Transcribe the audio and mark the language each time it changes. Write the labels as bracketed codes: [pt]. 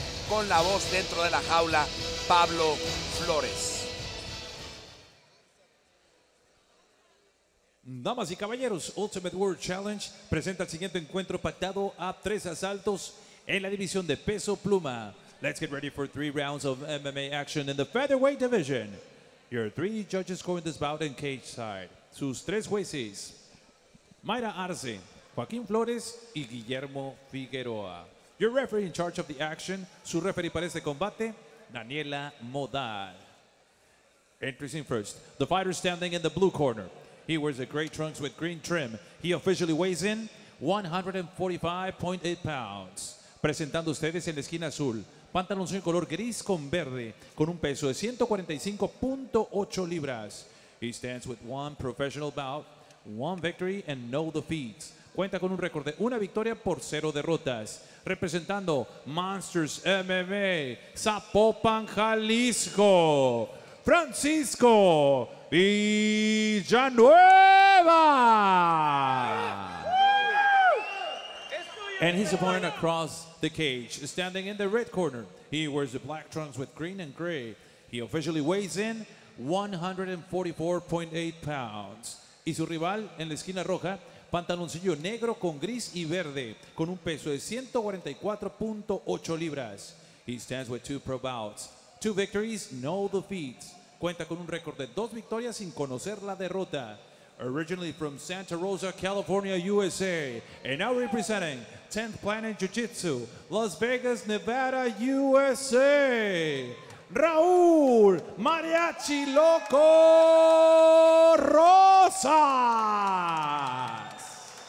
[es] Con la voz dentro de la jaula, Pablo Flores. Damas y caballeros, Ultimate World Challenge presenta el siguiente encuentro pactado a 3 asaltos en la división de peso pluma. [en] Let's get ready for 3 rounds of MMA action in the featherweight division. Your 3 judges scoring this bout in cage side. [es] Sus 3 jueces, Mayra Arce, Joaquín Flores y Guillermo Figueroa. [en] Your referee in charge of the action, [es] su referee para este combate, [en] Daniela Modal. Introducing first, the fighter standing in the blue corner. He wears a gray trunks with green trim. He officially weighs in 145.8 pounds. [es] Presentando ustedes en la esquina azul, pantalones en color gris con verde, con un peso de 145.8 libras. [en] He stands with one professional bout, one victory and no defeats. [es] Cuenta con un récord de una victoria por cero derrotas. Representando Monsters MMA, Zapopan, Jalisco, Francisco Villanueva. [en] And his opponent across the cage, standing in the red corner. He wears the black trunks with green and gray. He officially weighs in 144.8 pounds. [es] Y su rival en la esquina roja, pantaloncillo negro con gris y verde, con un peso de 144.8 libras. [en] He stands with two pro bouts, two victories, no defeats. [es] Cuenta con un récord de dos victorias sin conocer la derrota. [en] Originally from Santa Rosa, California, USA, and now representing 10th Planet Jiu-Jitsu, Las Vegas, Nevada, USA, Raúl Mariachi Loco Rosas.